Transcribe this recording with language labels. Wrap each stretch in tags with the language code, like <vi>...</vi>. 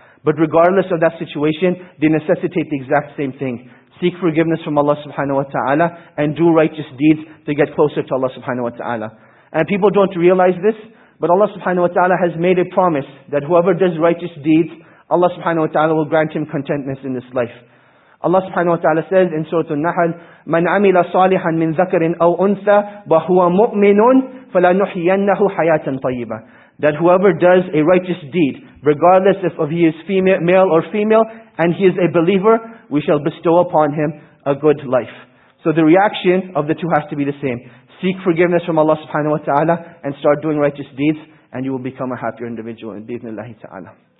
<en>But regardless of that situation, they necessitate the exact same thing. Seek forgiveness from Allah subhanahu wa ta'ala and do righteous deeds to get closer to Allah subhanahu wa ta'ala. And people don't realize this, but Allah subhanahu wa ta'ala has made a promise that whoever does righteous deeds, Allah subhanahu wa ta'ala will grant him contentness in this life. Allah subhanahu wa ta'ala says in Surah An-Nahl,</en> <ar>مَنْ عَمِلَ صَالِحًا مِنْ ذَكَرٍ أَوْ أُنْثَى وَهُوَ مُؤْمِنٌ فَلَنُحْيَنَّهُ حَيَاةً طَيِّبًا.</ar> <en>That whoever does a righteous deed, regardless if he is female, male or female, and he is a believer, we shall bestow upon him a good life. So the reaction of the two has to be the same. Seek forgiveness from Allah subhanahu wa ta'ala and start doing righteous deeds and you will become a happier individual. Bi-ithnillahi ta'ala.</en>